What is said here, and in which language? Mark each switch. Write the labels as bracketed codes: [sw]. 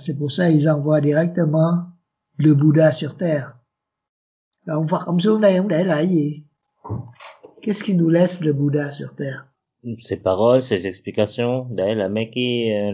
[fr] C'est pour ça qu'ils envoient directement le Bouddha sur terre. [vi] Là ông Phật ông xuống đây ông để lại gì? [fr] Qu'est-ce qu'il nous laisse le Bouddha sur terre? Ses paroles, ses explications, d'ailleurs la mec qui